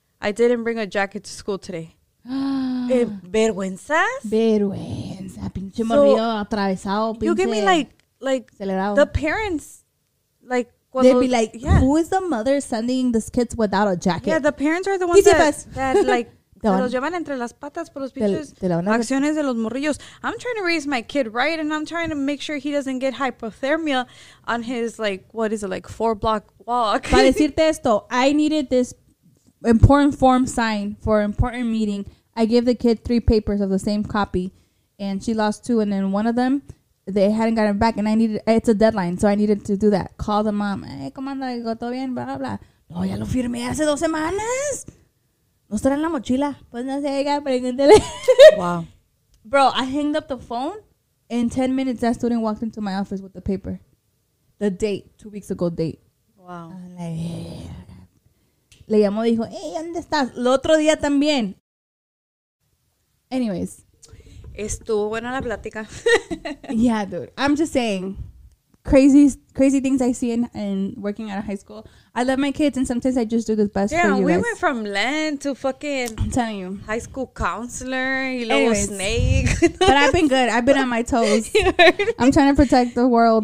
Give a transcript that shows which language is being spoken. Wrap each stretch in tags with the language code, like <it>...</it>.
<en>I didn't bring a jacket to school today.</en> <es>Vergüenza. Pinche morrillo atravesado.</es> <en>You give me like</en> <es>Acelerado.</es> <en>The parents, like they'd those, be like, yeah. "Who is the mother sending this kids without a jacket?" Yeah, the parents are the ones that like</en> <es>los llevan entre las patas por los pinches acciones de los morrillos.</es> <en>I'm trying to raise my kid right, and I'm trying to make sure he doesn't get hypothermia on his, like, what is it, like, 4-block walk.</en> <es>Para decirte esto,</es> <en>I needed this important form sign for an important meeting. I gave the kid 3 papers of the same copy, and she lost 2, and then one of them, they hadn't gotten back, and I needed, it's a deadline, so I needed to do that. Call the mom. Hey,</en> <es>¿cómo anda? ¿Todo bien?</es> <en>Blah, blah.</en> <es>No, ya lo firmé hace 2 semanas. No estará en la mochila. Pues no sé, oiga, pregúntele.</es> <en>Wow. Bro, I hanged up the phone. In 10 minutes, that student walked into my office with the paper. The date, 2 weeks ago date. Wow.</en> <es>Le llamó, dijo, hey, ¿dónde estás? El otro día también. Anyways. Estuvo buena la plática.</es> <en>Yeah, dude. I'm just saying. Crazy things I see in working out of high school. I love my kids, and sometimes I just do the best for you guys. Yeah, we went from Len to fucking, I'm telling you, high school counselor, you little snake. But I've been good. I've been on my toes. I'm trying to protect the world.</en>